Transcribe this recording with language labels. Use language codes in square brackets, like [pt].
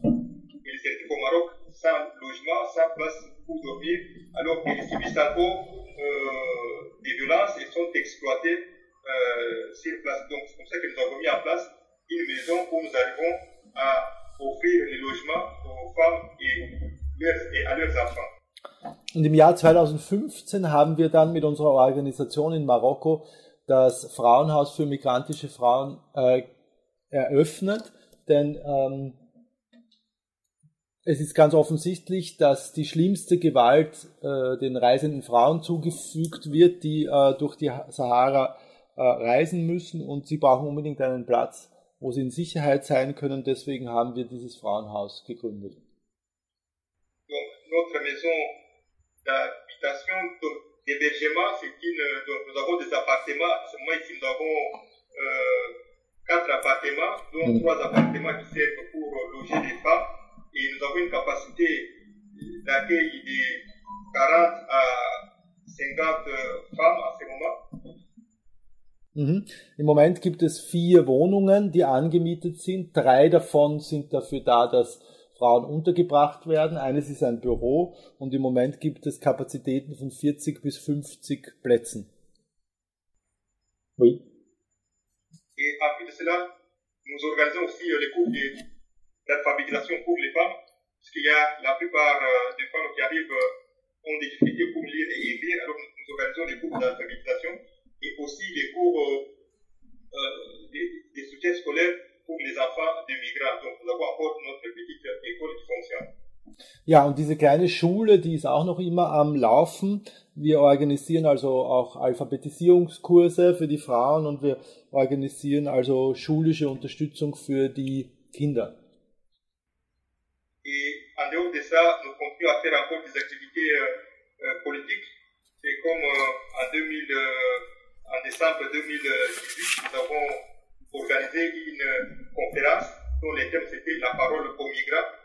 [fr] Ils se retrouvent au Maroc sans logement, sans place pour dormir, alors qu'ils subissent encore des violences et sont exploités sur place. Donc c'est comme ça que nous avons mis en place une maison où nous arrivons à offrir les logements aux femmes et à leurs enfants. [de] Und im Jahr 2015 haben wir dann mit unserer Organisation in Marokko das Frauenhaus für migrantische Frauen eröffnet, denn es ist ganz offensichtlich, dass die schlimmste Gewalt den reisenden Frauen zugefügt wird, die durch die Sahara reisen müssen, und sie brauchen unbedingt einen Platz, wo sie in Sicherheit sein können. Deswegen haben wir dieses Frauenhaus gegründet. [fr] Donc, notre maison d'habitation, d'hébergement, c'est une. Donc, nous avons des appartements. Moi, ici, nous avons 4 appartements, dont 3 appartements qui servent pour loger les femmes. Et nous avons une capacité d'accueil de 40 à 50 femmes en ce moment. [de] Im Moment gibt es 4 Wohnungen, die angemietet sind. 3 davon sind dafür da, dass Frauen untergebracht werden. Eines ist ein Büro und im Moment gibt es Kapazitäten von 40 bis 50 Plätzen. [fr] Oui. Et après cela, nous organisons aussi les cours d'alphabétisation pour les femmes. parce qu'il y a la plupart des femmes qui arrivent ont des difficultés pour lire et écrire, alors nous organisons des cours d'alphabétisation et aussi des cours des soutiens scolaires pour les enfants des migrants. Donc nous avons encore notre petite école qui fonctionne. [de] Ja, und diese kleine Schule, die ist auch noch immer am Laufen. Wir organisieren also auch Alphabetisierungskurse für die Frauen und wir organisieren also schulische Unterstützung für die Kinder. [fr] Et en dehors de ça, nous continuons à faire encore des activités politiques. C'est comme en décembre 2018, nous avons organisé une conférence dont le thème c'était la parole aux migrants.